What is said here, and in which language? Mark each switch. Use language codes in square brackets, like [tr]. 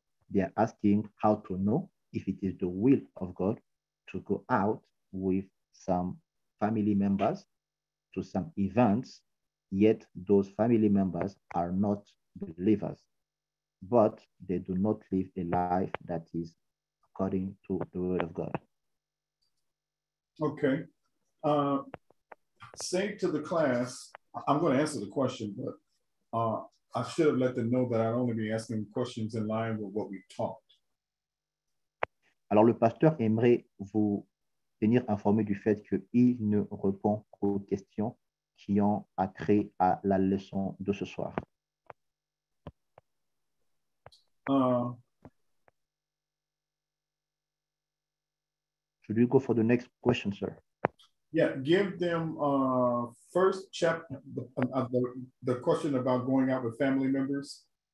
[en] They are asking how to know if it is the will of God to go out with some family members to some events, yet those family members are not believers, but they do not live a life that is according to the Word of God. Okay. Say to the class, I'm going to answer the question, but I should have let them know that I'd only be asking questions in line with what we taught. [fr] Alors, le pasteur aimerait vous tenir informé du fait qu'il ne répond qu'aux questions qui ont trait à la leçon de ce soir. [en] Should we go for the next question, sir? Yeah, give them first chapter of the question about going out with family members.